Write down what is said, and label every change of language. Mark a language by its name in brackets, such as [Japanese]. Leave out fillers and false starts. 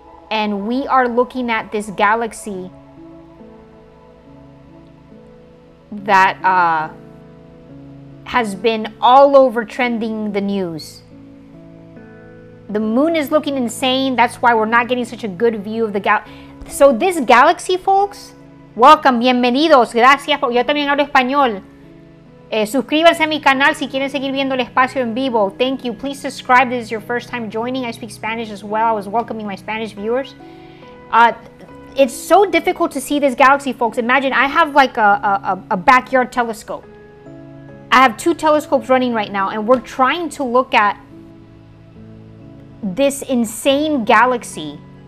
[English] And we are looking at this galaxy that has been all over trending the news. The moon is looking insane. That's why we're not getting such a good view of the galaxy. So this galaxy, folks, welcome, [Spanish] bienvenidos, gracias, yo también hablo español. Suscríbanse a mi canal si quieren seguir viendo el espacio en vivo. [English] Thank you. Please subscribe. This is your first time joining. I speak Spanish as well. I was welcoming my Spanish viewers. It's so difficult to see this galaxy, folks. Imagine I have like a backyard telescope. I have two telescopes running right now, and we're trying to look at this insane galaxy.